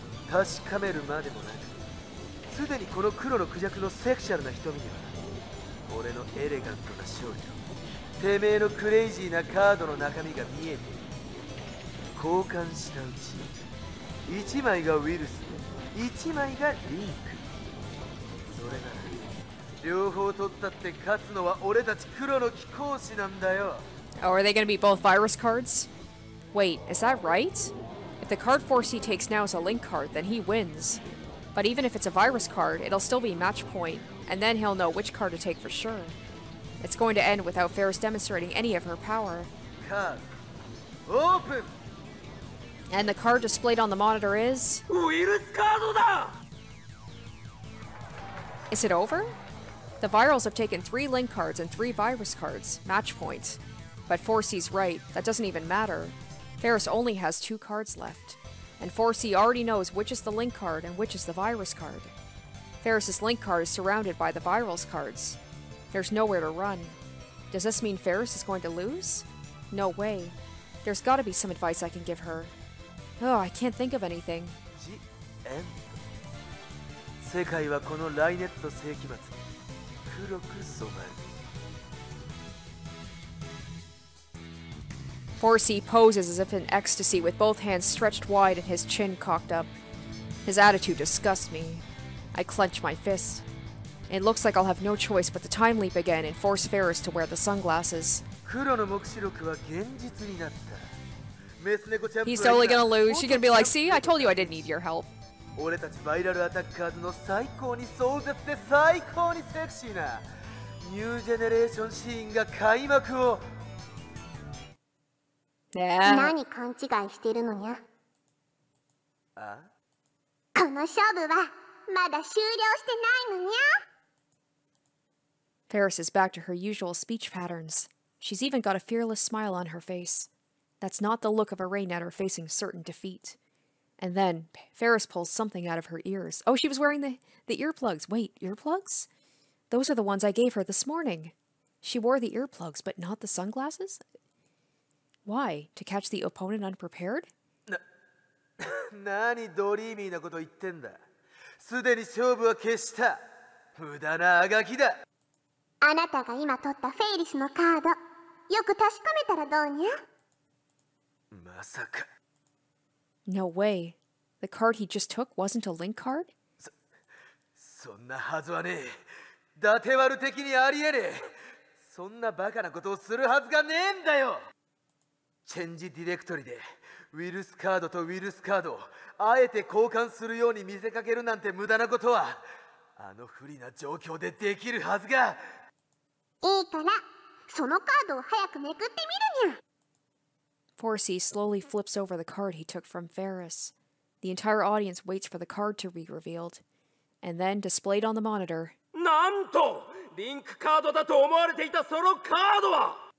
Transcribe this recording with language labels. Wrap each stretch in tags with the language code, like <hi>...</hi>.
<ja>確かめるまでもない。すでにこの黒のクジャクのセクシャルな瞳には俺のエレガントな勝利とてめえのクレイジーなカードの中身が見えている。交換したうち1枚がウイルスで1枚がリンク。それなら両方取ったって勝つのは俺たち黒の貴公子なんだよ。</ja> <en>Oh, are they gonna be both virus cards? Wait, is that right? If the card 4C takes now is a link card, then he wins. But even if it's a virus card, it'll still be match point, and then he'll know which card to take for sure. It's going to end without Faris demonstrating any of her power. Card. Open! And the card displayed on the monitor is... Virus card! Is it over? The virals have taken three link cards and three virus cards, match point. But 4C's right, that doesn't even matter. Faris only has two cards left. And 4C already knows which is the link card and which is the virus card. Faris's link card is surrounded by the virals cards. There's nowhere to run. Does this mean Faris is going to lose? No way. There's gotta be some advice I can give her. Oh, I can't think of anything. The end.</en> <ja>世界はこのライネット世紀末に黒く染まる。</ja> <en>4C poses as if in ecstasy with both hands stretched wide and his chin cocked up. His attitude disgusts me. I clench my fist. It looks like I'll have no choice but to time leap again and force Faris to wear the sunglasses. He's totally gonna lose. She's gonna be like, see, I told you I didn't need your help. We're the viral attackers of the highest and the highest sexy new generation scene. Yeah.</en> <ja>何勘違いしてるのにゃ。あ？この勝負はまだ終了してないのにゃ。</ja> <en>Faris is back to her usual speech patterns. She's even got a fearless smile on her face. That's not the look of a rainetter facing certain defeat. And then, Faris pulls something out of her ears. Oh, she was wearing the earplugs. Wait, earplugs? Those are the ones I gave her this morning. She wore the earplugs, but not the sunglasses? Why? To catch the opponent unprepared?</en> <ja>な、何ドリーミーなこと言ってんだ。すでに勝負は決した。無駄なあがきだ。あなたが今取ったフェイリスのカード、よく確かめたらどうにゃ。まさか。</ja> <en>No way. The card he just took wasn't a link card?</en> <ja>そんなはずはねえ。伊達丸的にありえねえ。そんなバカなことをするはずがねえんだよ。チェンジディレクトリでウィルスカードとウィルスカードをあえて交換するように見せかけるなんて無駄なことはあの不利な状況でできるはずが。いいからそのカードを早くめくってみるにゃ。</ja> <en>4C slowly flips over the card he took from Faris. The entire audience waits for the card to be revealed. And then displayed on the monitor.</en> <ja>なんとリンクカードだと思われていたそのカードは</ja>